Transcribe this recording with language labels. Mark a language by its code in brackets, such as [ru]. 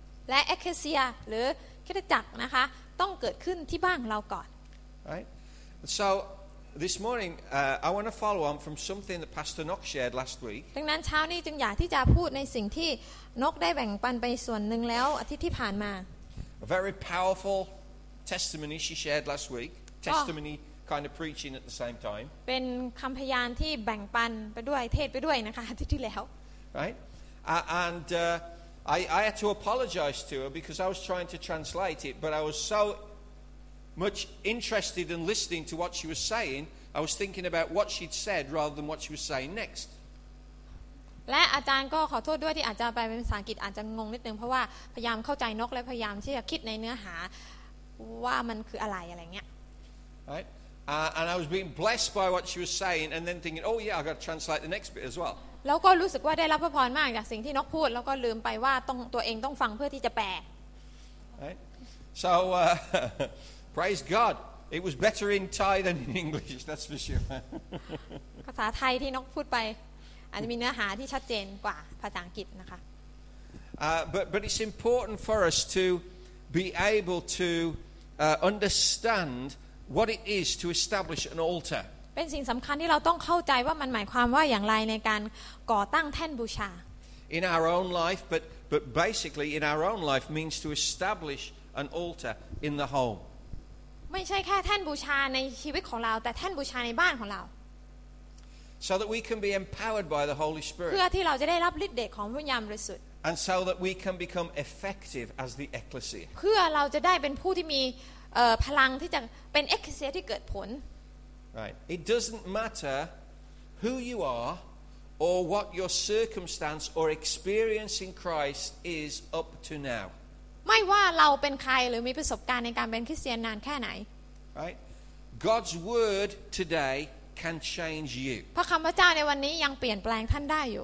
[th] และ ecclesia หรือคริสตจักรนะคะต้องเกิดขึ้นที่บ้านเราก่อน [en] Right. So this morning I want to follow on from something that Pastor Nock shared last week. [th] ดังนั้นเช้านี้จึงอยากที่จะพูดในสิ่งที่นกได้แบ่งปันไปส่วนนึงแล้วอาทิตย์ที่ผ่านมา [en] A very powerful testimony she shared last week. Testimony kind of preaching at the same time. [th] เป็นคำพยานที่แบ่งปันไปด้วยเทศไปด้วยนะคะที่แล้ว [en] Right. And I had to apologize to her because I was trying to translate it, but I was so much interested in listening to what she was saying, I was thinking about what she'd said rather than what she was saying next. [th] และอาจารย์ก็ขอโทษด้วยที่อาจจะไปเป็นภาษาอังกฤษอาจจะงงนิดนึงเพราะว่าพยายามเข้าใจนกและพยายามที่จะคิดในเนื้อหาว่ามันคืออะไรอะไรเงี้ย [en] Right and I was being blessed by what she was saying and then thinking oh yeah I got to translate the next bit as well [th] แล้วก็รู้สึกว่าได้รับพระพรมากจากสิ่งที่นกพูดแล้วก็ลืมไปว่าต้องตัวเองต้องฟังเพื่อที่จะแปล [en] Right so praise God it was better in Thai than in English that's for sure [th] ภาษาไทยที่นกพูดไปอาจจะมีเนื้อหาที่ชัดเจนกว่าภาษาอังกฤษนะคะ [en] but it's important for us to be able to understand what it is to establish an altar [th] เป็นสิ่งสำคัญที่เราต้องเข้าใจว่ามันหมายความว่าอย่างไรในการก่อตั้งแท่นบูชา [en] in our own life but basically in our own life means to establish an altar in the home [th] ไม่ใช่แค่แท่นบูชาในชีวิตของเราแต่แท่นบูชาในบ้านของเรา [en] So that we can be empowered by the Holy Spirit. [th] เพื่อที่เราจะได้รับฤทธิ์เดชของพระวิญญาณบริสุทธิ์ [en] And so that we can become effective as the ecclesia. [th] เพื่อเราจะได้เป็นผู้ที่มีพลังที่จะเป็นเอ็กเคเซียที่เกิดผล [en] Right. It doesn't matter who you are or what your circumstance or experience in Christ is up to now. [th] ไม่ว่าเราเป็นใครหรือมีประสบการณ์ในการเป็นคริสเตียนนานแค่ไหน [en] Right. God's word today. Can change you. [th] พระคำพระเจ้าในวันนี้ยังเปลี่ยนแปลงท่านได้อยู